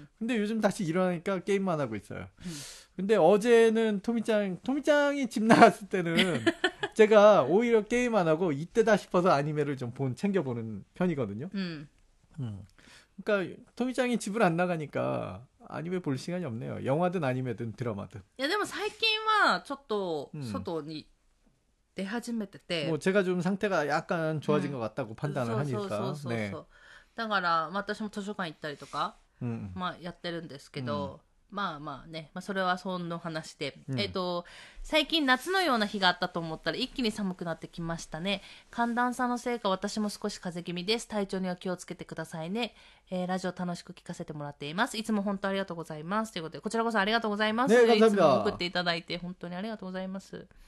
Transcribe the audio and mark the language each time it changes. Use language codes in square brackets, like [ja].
[ko] 근데 요즘 다시 일어나니까 게임만 하고 있어요. 근데 어제는 토미짱이 집 나갔을 때는 제가 오히려 게임 안 하고 이때다 싶어서 애니메를 좀 챙겨보는 편이거든요. 그러니까 토미짱이 집을 안 나가니까 애니메 볼 시간이 없네요. 영화든 애니메든 드라마든. 야, 근데 [ja] 最近はちょっと外に 出始めてて [ko] 뭐 제가 좀 상태가 약간 좋아진 것 같다고 판단을 하니까 [ja] だからまあ私も図書館行ったりとか、まあやってるんですけど、まあまあね、まあそれはその話で、最近夏のような日があったと思ったら一気に寒くなってきましたね。寒暖差のせいか私も少し風邪気味です。体調には気をつけてくださいね。ラジオ楽しく聞かせてもらっています。いつも本当ありがとうございます。ということで、こちらこそありがとうございます。ということで、こちらこそありがとうございます。ね、感謝。送っていただいて本当にありがとうございます。